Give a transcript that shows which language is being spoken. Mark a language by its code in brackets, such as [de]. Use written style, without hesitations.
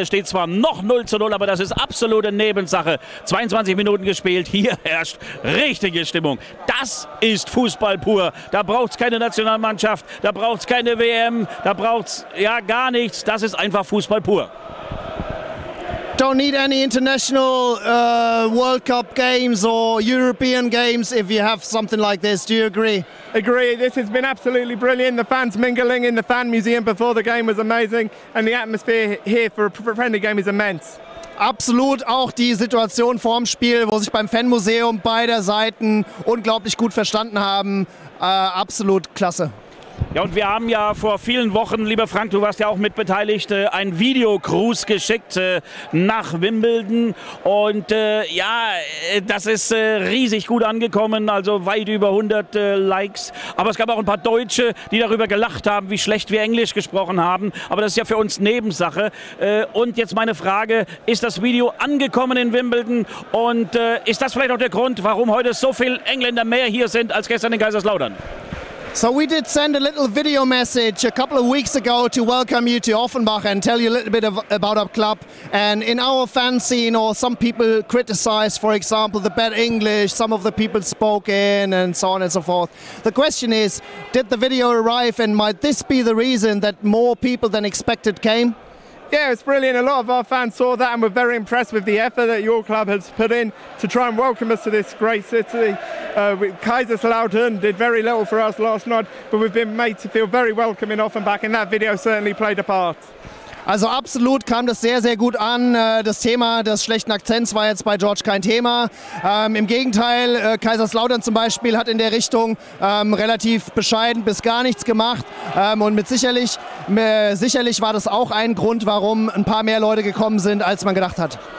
[de] Es steht zwar noch 0-0, aber das ist absolute Nebensache. 22 Minuten gespielt, hier herrscht richtige Stimmung. Das ist Fußball pur. Da braucht's keine Nationalmannschaft, da braucht's keine WM, da braucht's ja gar nichts. Das ist einfach Fußball pur. [en] Don't need any international World Cup games or European games if you have something like this. Do you agree? Agree. This has been absolutely brilliant. The fans mingling in the fan museum before the game was amazing. And the atmosphere here for a friendly game is immense. [de] Absolut. Auch die Situation vorm Spiel, wo sich beim Fanmuseum beider Seiten unglaublich gut verstanden haben. Absolut klasse. Ja, und wir haben ja vor vielen Wochen, lieber Frank, du warst ja auch mitbeteiligt, ein Videogruß geschickt nach Wimbledon. Und ja, das ist riesig gut angekommen, also weit über 100 Likes. Aber es gab auch ein paar Deutsche, die darüber gelacht haben, wie schlecht wir Englisch gesprochen haben. Aber das ist ja für uns Nebensache. Und jetzt meine Frage, ist das Video angekommen in Wimbledon? Und ist das vielleicht auch der Grund, warum heute so viele Engländer mehr hier sind als gestern in Kaiserslautern? [en] So we did send a little video message a couple of weeks ago to welcome you to Offenbach and tell you a little bit about our club. And in our fan scene, or some people criticized, for example, the bad English, some of the people spoke in and so on and so forth. The question is, did the video arrive and might this be the reason that more people than expected came? Yeah, it's brilliant. A lot of our fans saw that and were very impressed with the effort that your club has put in to try and welcome us to this great city. Kaiserslautern did very little for us last night, but we've been made to feel very welcome in Offenbach, and that video certainly played a part. [de] Also absolut kam das sehr, sehr gut an. Das Thema des schlechten Akzents war jetzt bei George kein Thema. Im Gegenteil, Kaiserslautern zum Beispiel hat in der Richtung relativ bescheiden bis gar nichts gemacht. Und mit sicherlich war das auch ein Grund, warum ein paar mehr Leute gekommen sind, als man gedacht hat.